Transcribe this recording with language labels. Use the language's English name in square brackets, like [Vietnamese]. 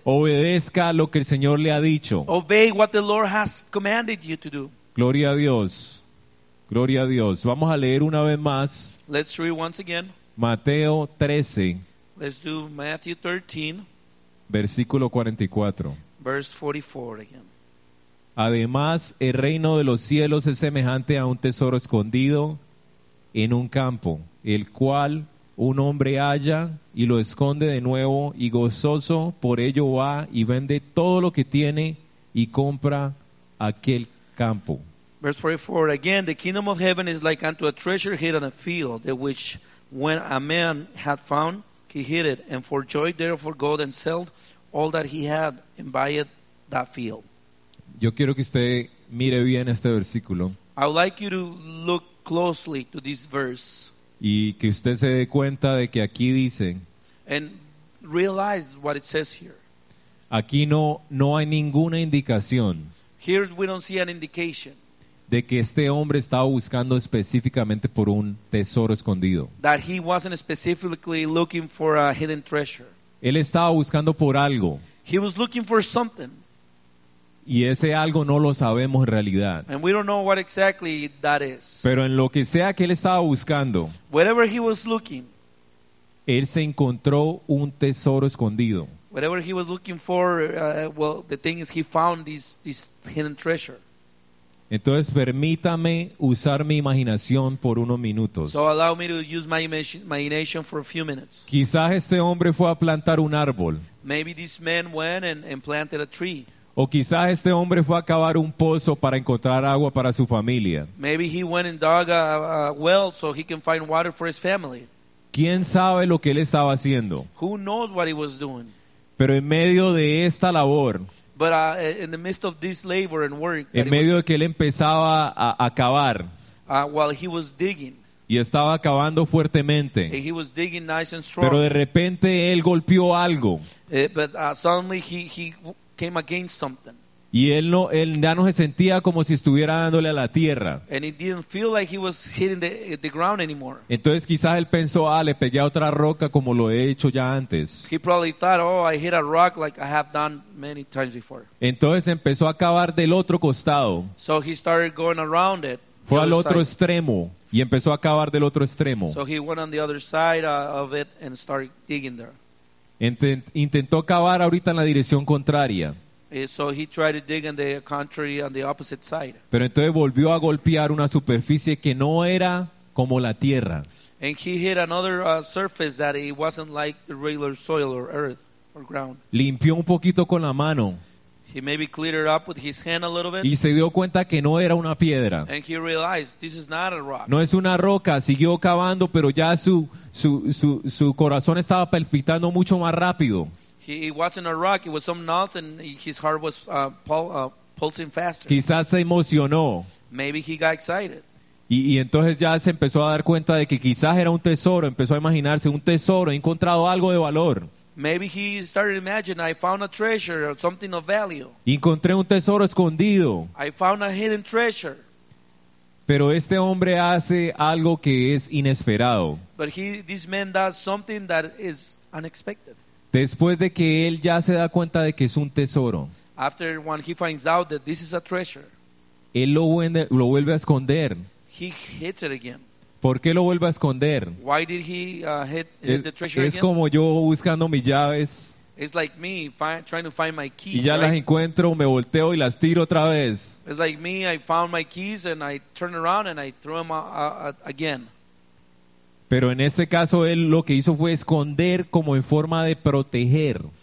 [Spanish] obedezca lo que el Señor le ha dicho. [English] Obey what the Lord has commanded you to do. [Spanish] Gloria a Dios. Gloria a Dios. Vamos a leer una vez más. [English] Let's read once again. [Spanish] Mateo 13. [English] Let's do Matthew 13. [Spanish] Versículo 44. [English] Verse 44 again. [Spanish] Además, el reino de los cielos es semejante a un tesoro escondido en un campo, el cual un hombre halla y lo esconde de nuevo, y gozoso por ello va y vende todo lo que tiene y compra aquel campo. [English] Verse 44, again, the kingdom of heaven is like unto a treasure hid in a field, the which when a man had found, he hid it, and for joy therefore go and sell all that he had and buy it that field. [Spanish] Yo quiero que usted mire bien este versículo. [English] I would like you to look closely to this verse. [Spanish] Y que usted se dé cuenta de que aquí dice. [English] And realize what it says here. [Spanish] Aquí no hay ninguna indicación. [English] Here we don't see an indication. [Spanish] De que este hombre estaba buscando específicamente por un tesoro escondido. [English] That he wasn't specifically looking for a hidden treasure. [Spanish] Él estaba buscando por algo. [English] He was looking for something. [Spanish] Y ese algo no lo sabemos en realidad. [English] And we don't know what exactly that is. [Spanish] Pero en lo que sea que él estaba buscando, [English] whatever he was looking, [Spanish] él se encontró un tesoro escondido. [English] Whatever he was looking for, well, the thing is he found this hidden treasure. [Spanish] Entonces permítame usar mi imaginación por unos minutos. [English] So allow me to use my imagination for a few minutes. [Spanish] Quizás este hombre fue a plantar un árbol. [English] Maybe this man went and planted a tree. [Spanish] O quizás este hombre fue a cavar un pozo para encontrar agua para su familia. [English] Maybe he went and dug a well so he can find water for his family. [Spanish] ¿Quién sabe lo que él estaba haciendo? [English] Who knows what he was doing? [Spanish] Pero en medio de esta labor, [English] but in the midst of this labor and work, [Spanish] en medio de que él empezaba a cavar, [English] while he was digging, [Spanish] y estaba cavando fuertemente, [English] and he was digging nice and strong, [Spanish] pero de repente él golpeó algo. [English] Suddenly he came against something. [Spanish] Y él ya no se sentía como si estuviera dándole a la tierra. [English] And he didn't feel like he was hitting the ground anymore. [Spanish] Entonces quizás él pensó, le pegué a otra roca como lo he hecho ya antes. [English] He probably thought, I hit a rock like I have done many times before. [Spanish] Entonces empezó a cavar del otro costado. [English] So he started going around it. [Spanish] Fue al otro extremo y empezó a cavar del otro extremo. [English] So he went on the other side of it and started digging there. [Spanish] Intentó cavar ahorita en la dirección contraria. [English] So he tried to dig in the contrary on the opposite side. [Spanish] Pero entonces volvió a golpear una superficie que no era como la tierra. [English] And he hit another surface that it wasn't like the regular soil or earth or ground. [Spanish] Limpió un poquito con la mano. [English] He maybe cleared it up with his hand a little bit. [Spanish] Y se dio cuenta que no era una piedra. [English] And he realized this is not a rock. [Spanish] No es una roca. Siguió cavando, pero ya su corazón estaba palpitando mucho más rápido. [English] It wasn't a rock, it was something else, and his heart was pulsing faster. [Spanish] Quizás se emocionó. [English] Maybe he got excited. [Spanish] Y entonces ya se empezó a dar cuenta de que quizás era un tesoro. Empezó a imaginarse un tesoro. He encontrado algo de valor. [English] Maybe he started imagining, I found a treasure or something of value. [Spanish] Encontré un tesoro escondido. [English] I found a hidden treasure. [Spanish] Pero este hombre hace algo que es inesperado. [English] But this man does something that is unexpected. [Spanish] Después de que él ya se da cuenta de que es un tesoro, [English] after when he finds out that this is a treasure, [Spanish] él lo vuelve a esconder. [English] He hits it again. [Spanish] ¿Por qué lo vuelve a esconder? [English] Why did he hit the treasure again? [Spanish] Es como yo buscando mis llaves. [English] It's like me trying to find my keys. [Spanish] Y ya [English] right? [Spanish] Las encuentro, me volteo y las tiro otra vez. [English] It's like me, I found my keys and I turn around and I throw them again. [Spanish] Pero en este caso él lo que hizo fue esconder como en forma de proteger.